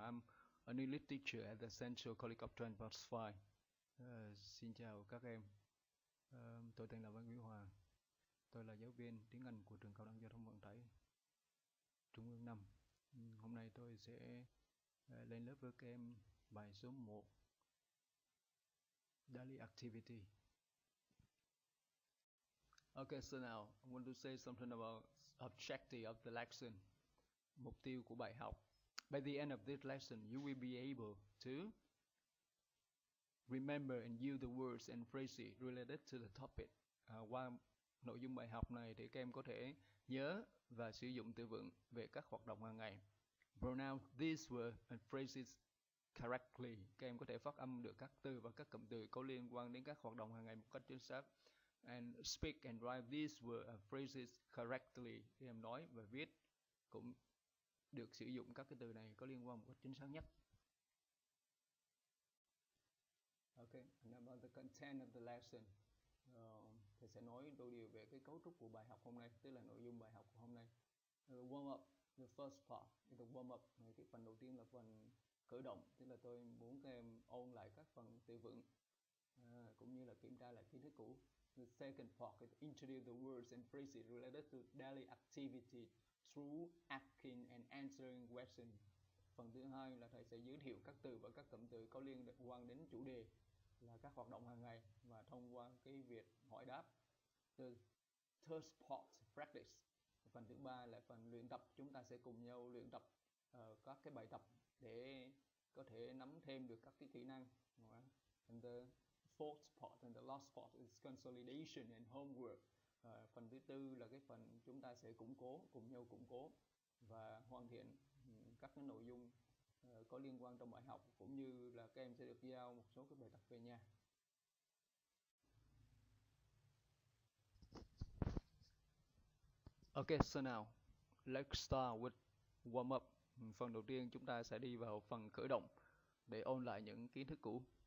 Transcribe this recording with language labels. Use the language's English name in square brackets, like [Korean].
[English] I'm a new lead teacher at the Central College of Transport 5. [Vietnamese] Xin chào các em. Tôi tên là Văn Quý Hòa. Tôi là giáo viên tiếng Anh của trường Cao đẳng Giao thông Vận tải Trung ương 5. Hôm nay tôi sẽ lên lớp với các em bài số 1 Daily Activity. [English] Okay, so now I want to say something about objective of the lesson. [Vietnamese] Mục tiêu của bài học. [English] By the end of this lesson, you will be able to remember and use the words and phrases related to the topic. [Vietnamese] Qua nội dung bài học này thì các em có thể nhớ và sử dụng từ vựng về các hoạt động hàng ngày. [English] Pronounce these words and phrases correctly. [Vietnamese] Các em có thể phát âm được các từ và các cụm từ có liên quan đến các hoạt động hàng ngày một cách chính xác. [English] And speak and write these words and phrases correctly. [Vietnamese] Các em nói và viết cũng được sử dụng các cái từ này có liên quan một cách chính xác nhất. [English] Okay, and about the content of the lesson. [Vietnamese] Thầy sẽ nói đôi điều về cái cấu trúc của bài học hôm nay, tức là nội dung bài học của hôm nay. [English] Warm up, the first part. The warm up, [Vietnamese] cái phần đầu tiên là phần khởi động, tức là tôi muốn các em ôn lại các phần từ vựng, cũng như là kiểm tra lại kiến thức cũ. [English] The second part is introduce the words and phrases related to daily activity through asking and answering questions. [Vietnamese] Phần thứ hai là thầy sẽ giới thiệu các từ và các cụm từ có liên quan đến chủ đề là các hoạt động hàng ngày và thông qua cái việc hỏi đáp. [English] The third part, practice. [Vietnamese] Phần thứ ba là phần luyện tập. Chúng ta sẽ cùng nhau luyện tập các cái bài tập để có thể nắm thêm được các cái kỹ năng. [English] And the fourth part and the last part is consolidation and homework. [Vietnamese] Phần thứ tư là cái phần chúng ta sẽ củng cố, cùng nhau củng cố và hoàn thiện các cái nội dung có liên quan trong bài học, cũng như là các em sẽ được giao một số cái bài tập về nhà. [English] Okay, so now, let's start with warm up. [Vietnamese] Phần đầu tiên chúng ta sẽ đi vào phần khởi động để ôn lại những kiến thức cũ.